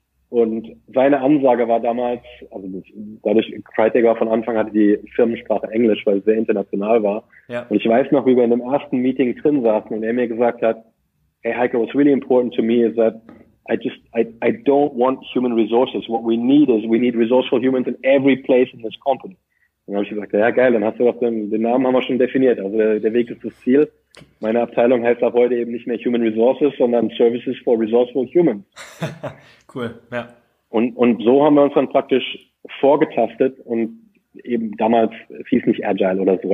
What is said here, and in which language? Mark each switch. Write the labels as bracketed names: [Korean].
[German] Und seine Ansage war damals, also dadurch, Crytek war von Anfang hatte die Firmensprache Englisch, weil es sehr international war. Ja. Und ich weiß noch, wie wir in dem ersten Meeting drin saßen und er mir gesagt hat, hey Heike, [English] what's really important to me is that I don't want human resources. What we need is, we need resourceful humans in every place in this company. [German] Und dann habe ich gesagt, ja geil, dann hast du doch den Namen haben wir schon definiert. Also der Weg ist das Ziel. Meine Abteilung heißt ab heute eben nicht mehr Human Resources, sondern Services for Resourceful Humans. Cool, ja. Und so haben wir uns dann praktisch vorgetastet und eben damals hieß nicht Agile oder so.